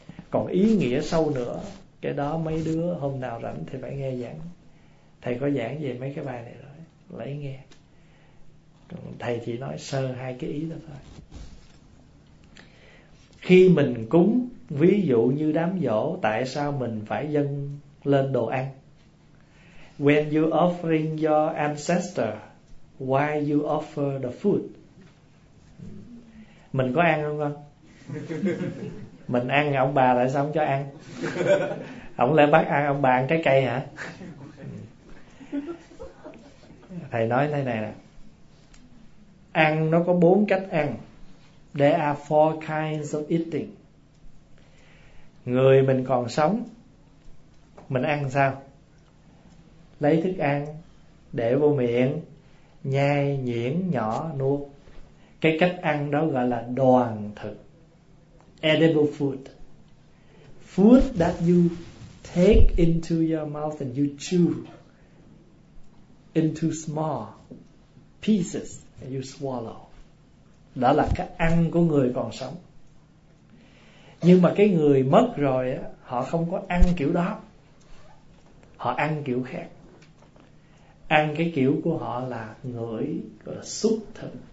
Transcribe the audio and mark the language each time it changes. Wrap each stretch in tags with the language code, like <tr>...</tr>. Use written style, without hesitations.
<vi>Còn ý nghĩa sâu nữa, cái đó mấy đứa hôm nào rảnh thì phải nghe giảng. Thầy có giảng về mấy cái bài này rồi, lấy nghe. Thầy chỉ nói sơ hai cái ý đó thôi. Khi mình cúng, ví dụ như đám giỗ, tại sao mình phải dâng lên đồ ăn?</vi> <en>When you offering your ancestor, why you offer the food?</en> <vi>Mình có ăn không con? Mình ăn ông bà tại sao không cho ăn? Ông lại bắt ăn ông bà ăn trái cây hả? Thầy nói thế này nè. Ăn nó có bốn cách ăn.</vi> <en>There are four kinds of eating.</en> <vi>Người mình còn sống, mình ăn sao? Lấy thức ăn để vô miệng, nhai nhuyễn nhỏ nuốt. Cái cách ăn đó gọi là đoàn thực,</vi> <en>edible food. Food that you take into your mouth and you chew into small pieces and you swallow.</en> <vi>Đó là cái ăn của người còn sống. Nhưng mà cái người mất rồi á, họ không có ăn kiểu đó. Họ ăn kiểu khác. Ăn cái kiểu của họ là ngửi, gọi là xúc thực.</vi>